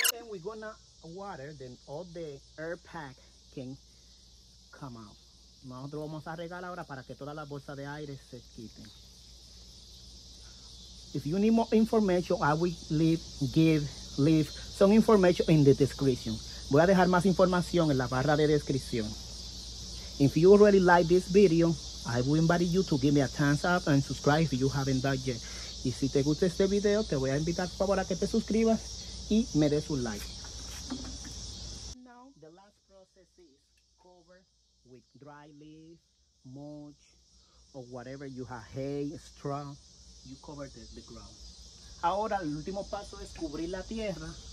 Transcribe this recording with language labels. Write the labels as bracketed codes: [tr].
[en] We're gonna water, then all the air pack can come out. [es] Nosotros vamos a regar ahora para que toda la bolsa de aire se quite. [en] If you need more information, I will leave some information in the description. [es] Voy a dejar más información en la barra de descripción. [en] If you already like this video, I will invite you to give me a thumbs up and subscribe if you haven't done yet. [es] Y si te gusta este video, te voy a invitar por favor a que te suscribas y me des un like. [en] Now the last process is cover with dry leaves, mulch, or whatever you have, hay, straw, you cover the ground. [es] Ahora el último paso es cubrir la tierra.